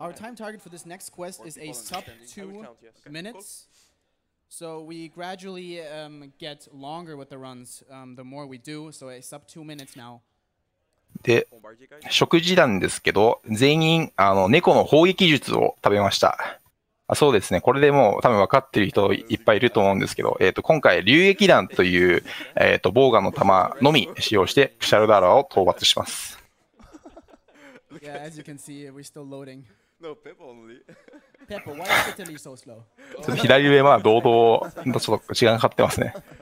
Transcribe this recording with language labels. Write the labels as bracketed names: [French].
[English] Our time target for this next quest is a sub 2 minutes. So we gradually get longer with the runs, the more we do. So a sub 2 minutes now. [Japanese] で、食事なんですけど、全員、猫の砲撃術を食べました。あ、そうですね。これでもう、多分分かってる人いっぱいいると思うんですけど、今回、流撃弾という、ボーガンの弾のみ使用して、クシャルダーラを討伐します。 [English] Yeah, as you can see, we're still loading. No, Pepper only. Pepper, why is Italy so slow? [Japanese] ちょっと左上は、堂々、ちょっと時間かかってますね。